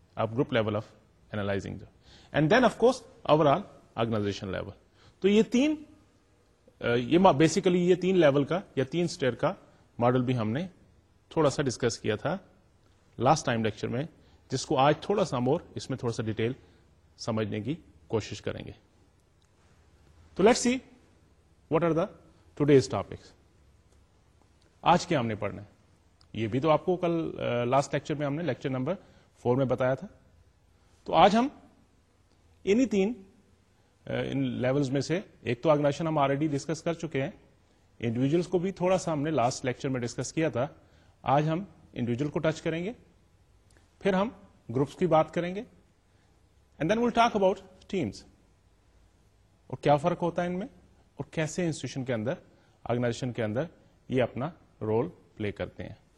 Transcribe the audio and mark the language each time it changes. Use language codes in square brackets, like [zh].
[en] اب group level of analysing جو، and then of course overall organisation level. [ur] تو یہ تین، یہ بیسیکلی یہ تین لیول کا یا تین اسٹیئر کا ماڈل بھی ہم نے تھوڑا سا ڈسکس کیا تھا لاسٹ ٹائم لیکچر میں، جس کو آج تھوڑا سا مور اس میں تھوڑا سا ڈیٹیل سمجھنے کی کوشش کریں گے. [en] تو let's see what are the today's topics. [ur] آج کیا ہم نے پڑھنا ہے؟ یہ بھی تو آپ کو کل لاسٹ لیکچر میں ہم نے لیکچر نمبر 4 میں بتایا تھا. تو آج ہم انہی تین ان لیولز میں سے، ایک تو آگناشن ہم آلریڈی ڈسکس کر چکے ہیں، انڈیویجلس کو بھی تھوڑا سا ہم نے لاسٹ لیکچر میں ڈسکس کیا تھا، آج ہم انڈیویجل کو ٹچ کریں گے، پھر ہم گروپس کی بات کریں گے، [en] and then will talk about teams [ur] اور کیا فرق ہوتا ہے ان میں، اور کیسے انسٹیٹیوشن کے اندر، آرگنائزیشن کے اندر یہ اپنا رول پلے کرتے ہیں.